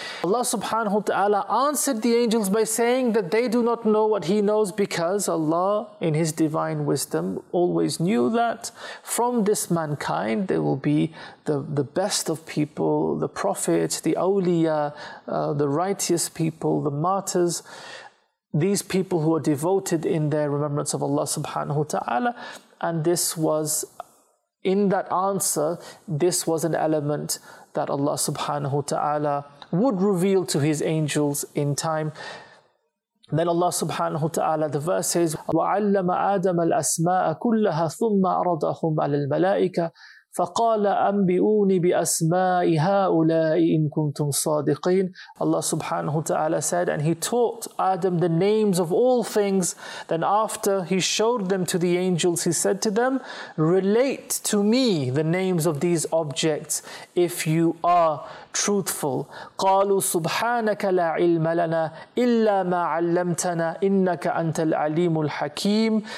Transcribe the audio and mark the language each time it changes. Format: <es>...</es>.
<en>Allah subhanahu wa ta'ala answered the angels by saying that they do not know what He knows, because Allah, in His divine wisdom, always knew that from this mankind there will be the best of people, the prophets, the awliya, the righteous people, the martyrs. These people who are devoted in their remembrance of Allah subhanahu wa ta'ala. And this was, in that answer, this was an element that Allah subhanahu wa ta'ala would reveal to His angels in time. Then Allah subhanahu wa ta'ala, the verse says,</en> <ar>وَعَلَّمَ آدَمَ الْأَسْمَاءَ كُلَّهَا ثُمَّ عَرَضَهُمْ عَلَى الْمَلَائِكَةِ فَقَالَ أَنْبِئُونِ بِأَسْمَاءِ هَؤُلَاءِ إِن كُنْتُمْ صَادِقِينَ.</ar> <en>Allah subhanahu wa ta'ala said, and He taught Adam the names of all things. Then after He showed them to the angels, He said to them, relate to Me the names of these objects if you are truthful.</en> <ar>قَالُوا سُبْحَانَكَ لَا عِلْمَ لَنَا إِلَّا مَا عَلَّمْتَنَا إِنَّكَ أَنْتَ الْعَلِيمُ الْحَكِيمُ.</ar>